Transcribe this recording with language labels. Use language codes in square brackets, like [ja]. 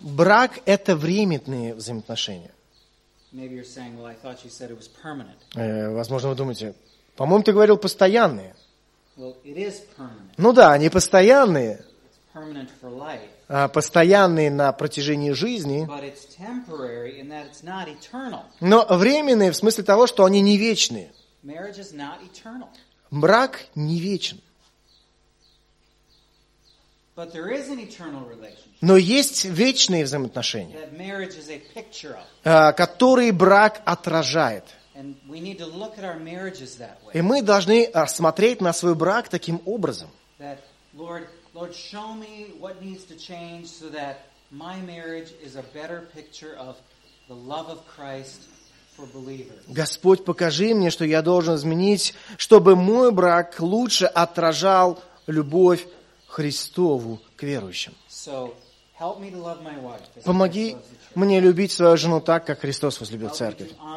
[ru] Брак – это временные взаимоотношения. [en] Maybe you're saying, well, I thought you said it was permanent. [ru] Возможно, вы думаете, по-моему, ты говорил постоянные. [en] Well, it is permanent. [ru] Ну да, они постоянные. [en] It's permanent for life. [ru] Постоянные на протяжении жизни. [en] But it's temporary in that it's not eternal. [ru] Но временные в смысле того, что они не вечные. [en] Marriage is not eternal. [ru] Брак не вечен. [en] But there is an eternal relationship. [ru] Но есть вечные взаимоотношения, [en] that marriage is a picture of. [ru] Которые брак отражает. [en] And we need to look at our marriages that way. [ru] И мы должны смотреть на свой брак таким образом. [en] That, Lord, show me what needs to change so that my marriage is a better picture of the love of Christ for believers. [ru] Господь, покажи мне, что я должен изменить, чтобы мой брак лучше отражал любовь Христову к верующим. [en] So, help me to love my wife, [ru] помоги мне любить свою жену так, как Христос возлюбил Церковь.